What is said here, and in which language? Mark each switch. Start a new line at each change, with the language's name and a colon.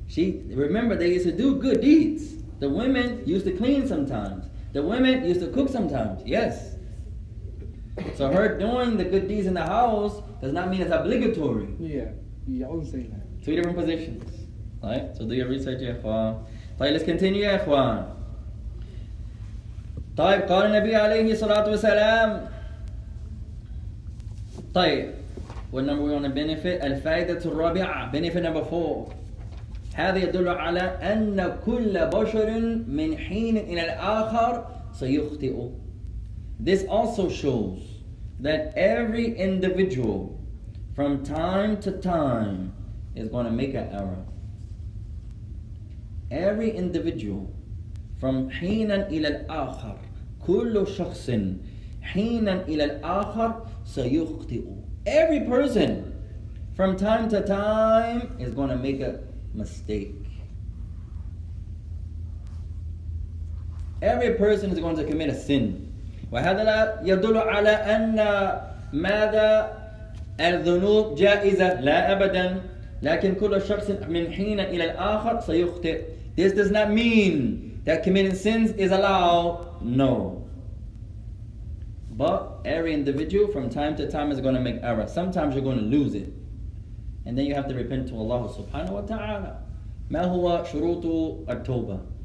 English: She, remember, they used to do good deeds. The women used to clean sometimes. The women used to cook sometimes, yes. So her doing the good deeds in the house does not mean it's obligatory. Yeah, I was saying that. Two different positions, right? So do your research, ya ikhwan. طيب, let's continue, ya ikhwan.
Arabic: طيب, قال النبي عليه الصلاة والسلام.
English: طيب, what number we want to benefit?
Arabic: الفائدة الرابعة,
English: benefit number 4.
Arabic: هذا يدل على أن كل بشر من حين إلى الآخر سيخطئ.
English: This also shows that every individual from time to time is going to make an error. Every individual from
Arabic: حين إلى الآخر, كل شخص حين إلى الآخر سيخطئ.
English: Every person from time to time is going to make a mistake. Every person is going to commit a sin.
Arabic: وهذا يدل على أن ماذا الذنوب جائزة لا أبدا لكن كل شخص من حين إلى الآخر سيخطئ.
English: This does not mean that committing sins is allowed. No. But every individual from time to time is going to make error. Sometimes you're going to lose it. And then you have to repent to Allah subhanahu wa ta'ala.
Arabic: ما هو شروط التوبة?